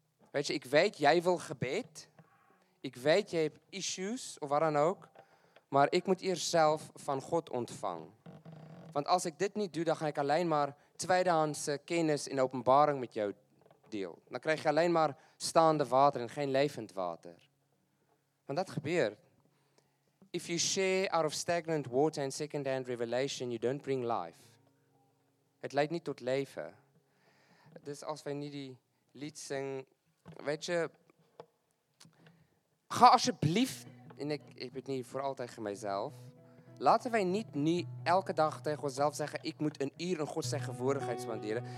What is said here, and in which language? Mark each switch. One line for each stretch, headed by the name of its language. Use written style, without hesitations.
Dutch: Weet je, ik weet, jij wil gebed. Ik weet, je hebt issues, of wat dan ook. Maar ik moet eerst zelf van God ontvangen. Want als ik dit niet doe, dan ga ik alleen maar tweedehandse kennis en openbaring met jou deel. Dan krijg je alleen maar staande water en geen levend water. Want dat gebeurt.
English: If you share out of stagnant water and second-hand revelation, you don't bring life.
Dutch: Het leidt niet tot leven. Dus als wij nu die lied zingen, weet je... Ga alsjeblieft, en ik weet niet voor altijd tegen mijzelf. Laten wij niet nu elke dag tegen onszelf zeggen, ik moet een uur een God zijn gevoeligheid spanderen.